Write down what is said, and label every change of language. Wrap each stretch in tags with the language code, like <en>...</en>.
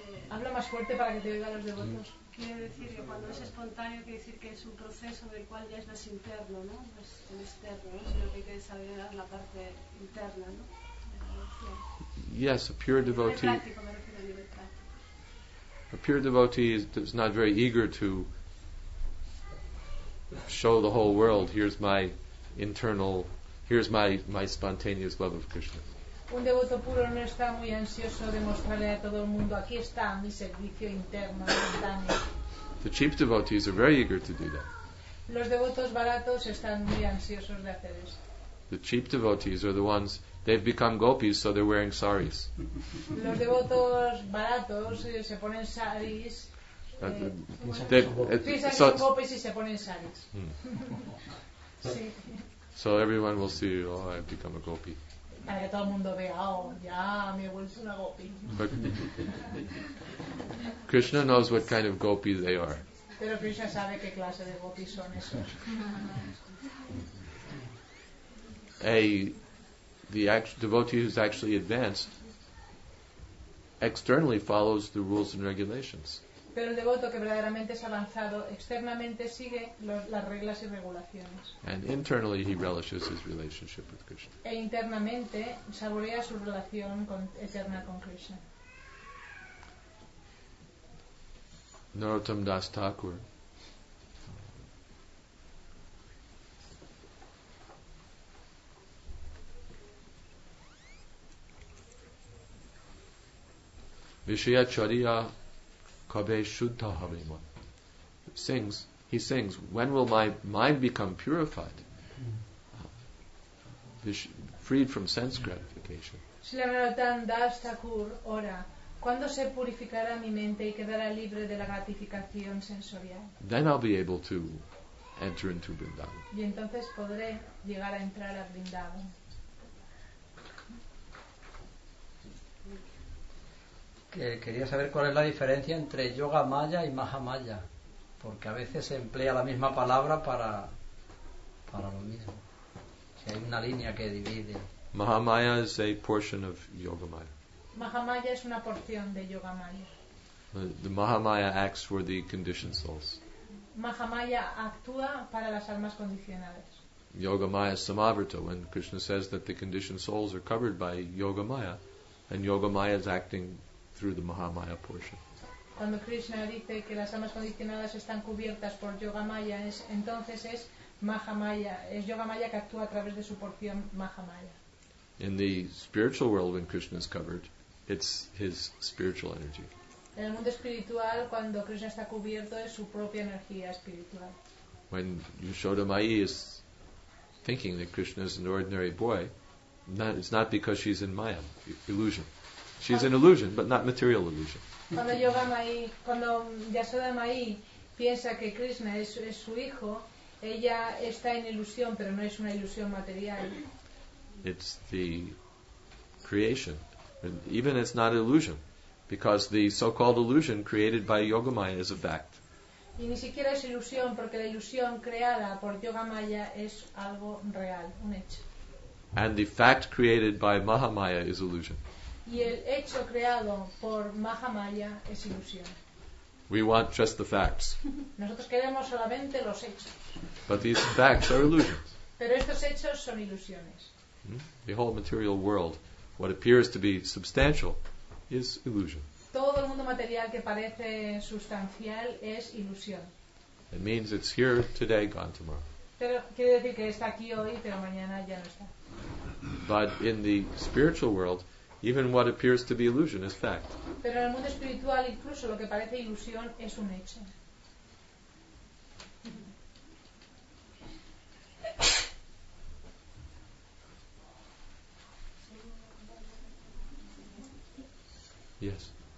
<es>Habla más fuerte para que te oigan los devotos. Quiere decir que cuando es espontáneo, quiere decir que es un proceso del cual ya es más interno, ¿no? No es el externo, ¿no? Sino que hay que desarrollar la parte interna, ¿no?</es> <en>Yes, a pure devotee. A pure devotee is not very eager to show the whole world, here's my spontaneous love of Krishna.</en> <es>Un devoto puro no está muy ansioso de mostrarle a todo el mundo, aquí está mi servicio interno.</es> <en>The cheap devotees are very eager to do that.</en> <es>Los devotos baratos están muy ansiosos de hacer eso.</es> <en>The cheap devotees are the ones, they've become gopis, so they're wearing saris.</en> <es>Los devotos baratos se ponen saris. Gopis y se ponen saris. Sí.</es> <en>So everyone will see, oh, I've become a gopi.</en> <es>Para que todo el mundo vea, oh, ya, me he vuelto una gopi.</es> <en>But Krishna knows what kind of gopi they are.</en> <es>Pero Krishna sabe qué clase de gopi son esos.</es> <en>The devotee who's actually advanced externally follows the rules and regulations.</en> <es>Pero el devoto que verdaderamente es avanzado externamente sigue las reglas y regulaciones.</es> <en>And internally he relishes his relationship with Krishna.</en> <es>E internamente saborea su relación eterna con Krishna.</es> <en>Narottam Das Thakur.</en> <bn>Vishaya Charya Kabe Shuddha Harima.</bn> <en>He sings, when will my mind become purified? Freed from sense gratification.</en> <es>Shri Narottam Das Thakur ora, ¿cuándo se purificará mi mente y quedará libre de la gratificación sensorial?</es> <en>Then I'll be able to enter into Vrindavan.</en> <es>Y entonces podré llegar a entrar a Vrindavan. Quería saber cuál es la diferencia entre yoga maya y mahamaya, porque a veces se emplea la misma palabra para lo mismo. Si hay una línea que divide.</es> <en>Mahamaya is a portion of yoga maya.</en> <es>Mahamaya es una porción de yoga maya.</es> <en>The mahamaya acts for the conditioned souls.</en> <es>Mahamaya actúa para las almas condicionadas.</es> <sa>Yoga maya samavrita,</sa> <en>when Krishna says that the conditioned souls are covered by yoga maya, and yoga maya is acting through the Mahamaya portion.</en> <es>Cuando Krishna dice que las almas condicionadas están cubiertas por yoga maya, entonces es Mahamaya, es yoga maya que actúa a través de su porción Mahamaya.</es> <en>In the spiritual world, when Krishna is covered, it's his spiritual energy. En el mundo espiritual, cuando Krishna está cubierto, es su propia energía espiritual. When Yashoda Mayi is thinking that Krishna is an ordinary boy, it's not because she's in Maya, illusion. She's an illusion, but not material illusion.</en> <es>Cuando Yashoda Mayi piensa que Krishna es su hijo, ella está en ilusión, pero no es una ilusión material.</es> <en>It's the creation. Even it's not illusion, because the so-called illusion created by Yoga Maya is a fact.</en> <es>Y ni siquiera es ilusión, porque la ilusión creada por Yoga Maya es algo real, un hecho.</es> <en>And the fact created by Mahamaya is illusion.</en> <es>Y el hecho creado por Mahamaya es ilusión.</es> <en>We want just the facts.</en> <es>Nosotros queremos solamente los hechos.</es> <en>But these facts are illusions.</en> <es>Pero estos hechos son ilusiones.</es> <en>The whole material world, what appears to be substantial, is illusion.</en> <es>Todo el mundo material que parece sustancial es ilusión.</es> <en>It means it's here today, gone tomorrow.</en> <es>Pero quiere decir que está aquí hoy, pero mañana ya no está.</es> <en>But in the spiritual world, even what appears to be illusion is fact.</en> <es>Pero en el mundo espiritual incluso lo que parece ilusión es un hecho.</es> <en>Yes.</en>